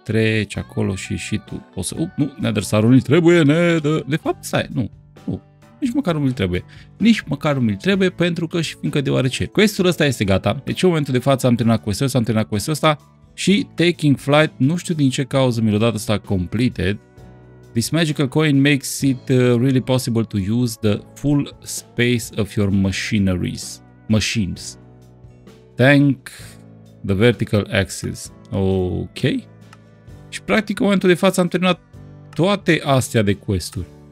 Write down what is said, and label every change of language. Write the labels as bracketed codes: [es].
[ro] Treci acolo și tu. O să... nu, nedersarul nu-l trebuie, De fapt, stai, nu. Nici măcar nu mi-l trebuie. Pentru că și fiindcă deoarece quest-ul ăsta este gata. Deci în momentul de față am terminat quest-ul ăsta, și Taking Flight, nu știu din ce cauză mi-l-a dat ăsta completed. [en] This magical coin makes it really possible to use the full space of your machines. Thank the vertical axis. Ok. [ro] Și practic în momentul de față am terminat toate astea de quest-uri.